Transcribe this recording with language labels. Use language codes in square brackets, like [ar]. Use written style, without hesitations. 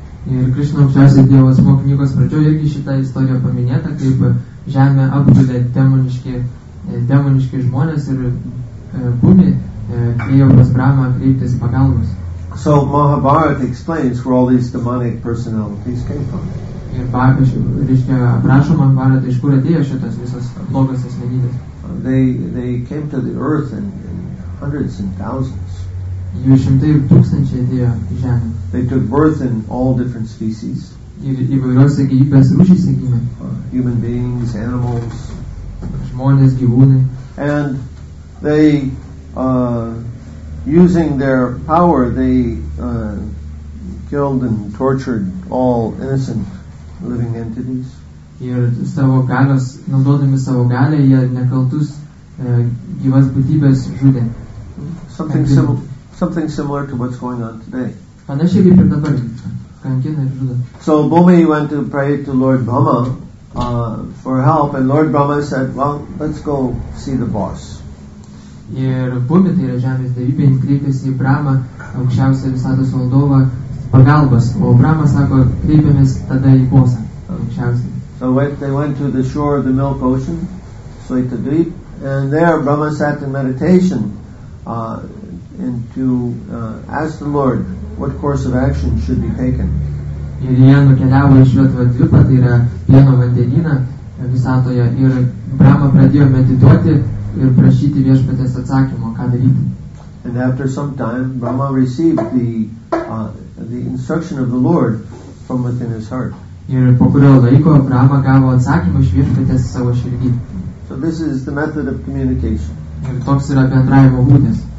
[lt] Ir Krishna aukščiausias dievas savo knygos pradžioje irgi šita istorija paminėta, kaip žemė apgulė demoniški žmonės ir Bhumi ėjo pas Brahmą kreiptis pagalbos. [en] So Mahabharata explains where all these demonic personalities came from. [lt] Ir reiškia, aprašo Mahabharata, iš kur atėjo šitas visas blogas asmenybės. [en] They came to the earth in hundreds and thousands. [lt] Jų šimtai tūkstančiai atėjo į žemę. [en] They took birth in all different species. [lt] Ir įvairiose gyvybės rūšys gimė. [en] Human beings, animals. [lt] Žmonės, gyvūnai. [en] And they using their power they killed and tortured all innocent living entities. [lt] Ir savo galios, naudodami savo galią, jie nekaltus gyvas būtybės žudė. [en] Something similar to what's going on today. [lt] Panašiai kaip ir dabar. Kankina ir žudė. [en] So Bhumi went to pray to Lord Brahma for help, and Lord Brahma said, well, let's go see the boss. [lt] Ir Bhumi, tai yra žemės dievybė, kreipėsi į Brahma, aukščiausią visatos valdovą, pagalbas. O Brahma sako, kreipėmės tada į bosą, aukščiausią. [en] So they went to the shore of the Milk Ocean, Svaita Dweep, and there Brahma sat in meditation and to ask the Lord what course of action should be taken. [lt] Ir jie nukeliavo į Svaita Dweepą, tai yra pieno vandenyną visatoje, ir Brahma pradėjo medituoti ir prašyti viešpaties atsakymo, ką daryti. [en] And after some time, Brahma received the instruction of the Lord from within his heart. [lt] Ir po kurio laiko Brahma gavo atsakymą iš viešpaties savo širdį. [en] So this is the method of communication. [lt] Ir toks yra bendravimo būdas.